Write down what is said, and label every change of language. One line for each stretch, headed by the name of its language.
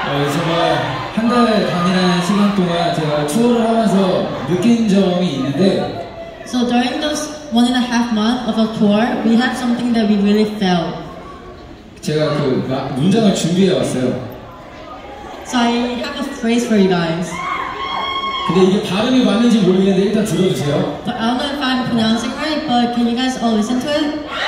Korean: 정말 한 달 다니는 시간 동안 제가 투어를 하면서 느낀 점이 있는데.
English: So during those 1.5 months of a tour, we have something that we really felt.
Korean: 제가 그 문장을 준비해 왔어요.
English: So I have a phrase for you guys.
Korean: 근데 이게 발음이 맞는지 모르겠는데 일단 들어주세요.
English: I don't know if I'm pronouncing right, but can you guys all listen to it?